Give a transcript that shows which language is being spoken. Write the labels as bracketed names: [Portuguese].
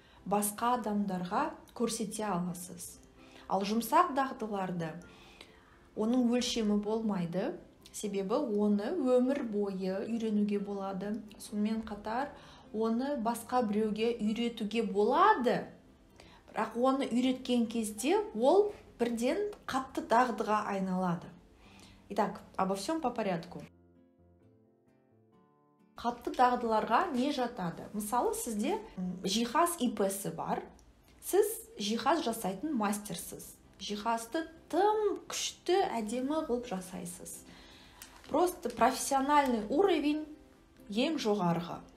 [Kazakh] Басқа адамдарға көрсете аласыз. Ал жұмсақ дағдыларды, оның өлшемі болмайды. Себебі оны өмір бойы үйренуге болады. Сонымен қатар, оны басқа біреуге үйретуге болады. Бірақ оны үйреткен кезде ол бірден қатты дағдыға айналады. [Russian] Итак, обо всем по порядку. [Kazakh] Қатты дағдыларға не жатады? Мысалы, сізде жиһаз ИП-сі бар. Сіз жиһаз жасайтын мастерсіз. Жиһазды тым күшті, әдемі қылып жасайсыз. [Russian] Просто профессиональный уровень [Kazakh] ең жоғарғы.